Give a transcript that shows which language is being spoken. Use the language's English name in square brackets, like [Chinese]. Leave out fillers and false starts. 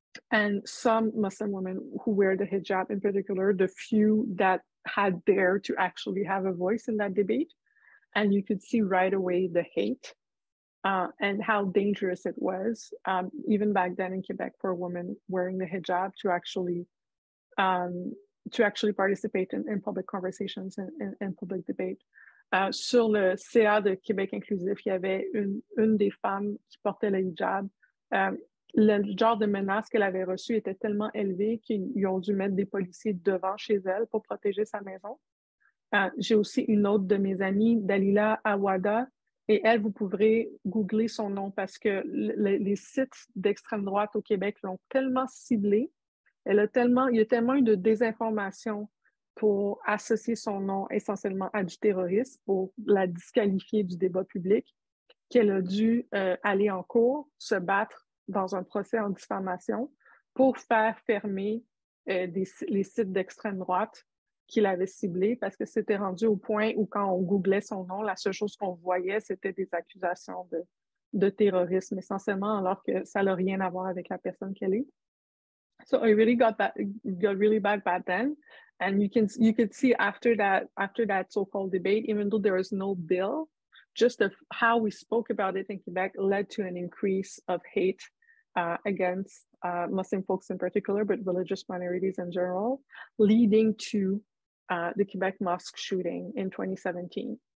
[English] And some Muslim women who wear the hijab in particular, the few that had dared to actually have a voice in that debate. And you could see right away the hate and how dangerous it was, even back then in Quebec, for a woman wearing the hijab to actually participate in public conversations and in public debate. [French] Sur le CA de Québec Inclusif, il y avait une des femmes qui portait le hijab. Le genre de menace qu'elle avait reçue était tellement élevé qu'ils ont dû mettre des policiers devant chez elle pour protéger sa maison. J'ai aussi une autre de mes amies, Dalila Awada, et elle, vous pourrez googler son nom parce que les sites d'extrême droite au Québec l'ont tellement ciblée. Il y a tellement eu de désinformation pour associer son nom essentiellement à du terrorisme, pour la disqualifier du débat public, qu'elle a dû aller en cours, se battre dans un procès en diffamation pour faire fermer les sites d'extrême droite qu'il avait ciblés, parce que c'était rendu au point où quand on googlait son nom, la seule chose qu'on voyait, c'était des accusations de terrorisme, essentiellement, alors que ça n'a rien à voir avec la personne qu'elle est. [English] So it really got really bad then. And you could see after that so-called debate, even though there was no bill, just of how we spoke about it in Quebec led to an increase of hate against Muslim folks in particular, but religious minorities in general, leading to the Quebec mosque shooting in 2017.